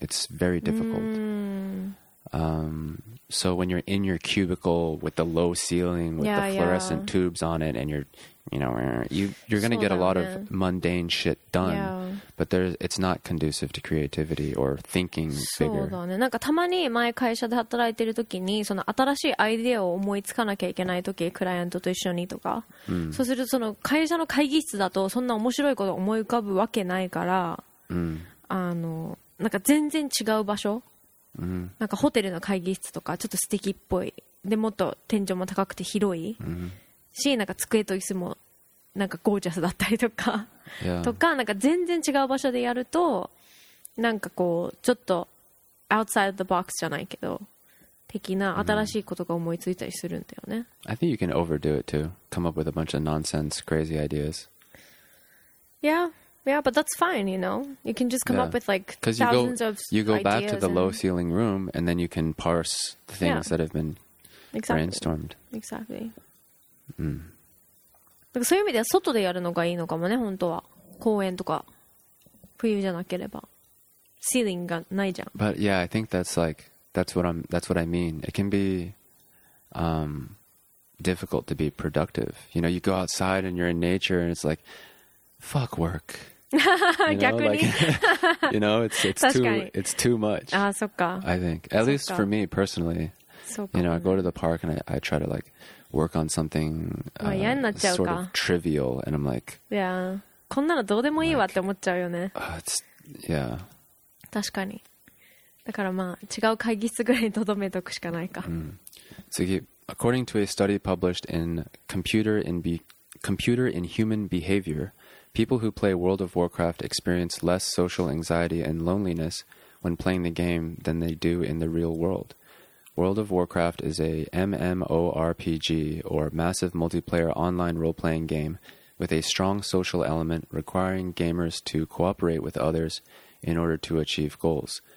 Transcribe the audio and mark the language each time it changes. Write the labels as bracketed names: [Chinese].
[English] It's very difficult. So when you're in your cubicle with the low ceiling, with the fluorescent tubes on it, and you're going to get a lot of mundane shit done, but it's not conducive to creativity or thinking bigger. [Japanese] そうだね。なんかたまに前会社で働いてる時に、その新しいアイデアを思いつかなきゃいけない時、クライアントと一緒にとか、そうするとその会社の会議室だとそんな面白いこと思い浮かぶわけないから、なんか全然違う場所。なんかホテルの会議室とかちょっと素敵っぽいでもっと天井も高くて広い、しなんか机と椅子もなんかゴージャスだったりとか、とかなんか全然違う場所でやるとなんかこうちょっと [English] outside the box [Japanese] じゃないけど的な新しいことが思いついたりするんだよね。 [English] I think you can overdo it too. Come up with a bunch of nonsense, crazy ideas. Yeah, but that's fine, you know. You can just come up with like thousands of ideas. You go back to the low ceiling room and then you can parse the things that have been brainstormed. Exactly. [Japanese] だからそういう意味では外でやるのがいいのかもね、本当は。公園とか。冬じゃなければ。セーリングがないじゃん。 [English] But yeah, I think that's like, that's what I mean. It can be, difficult to be productive. You know, you go outside and you're in nature and it's like,Fuck work. You know, [Japanese] 逆に、 [English] like, you know, it's too much. [Japanese] あ、そっか。 [English] I think. At least for me personally. [Japanese] そうか。 [English] You know, I go to the park and I try to like work on something sort of trivial and I'm like, yeah. [Japanese] こんなのどうでもいいわって思っちゃうよね。 [English] It's, yeah. [Japanese] 確かに。だからまあ違う会議室ぐらいにとどめとくしかないか。次、 [English] according to a study published in Computer in Human Behavior,People who play World of Warcraft experience less social anxiety and loneliness when playing the game than they do in the real world. World of Warcraft is a MMORPG, or massive multiplayer online role-playing game, with a strong social element requiring gamers to cooperate with others in order to achieve goals.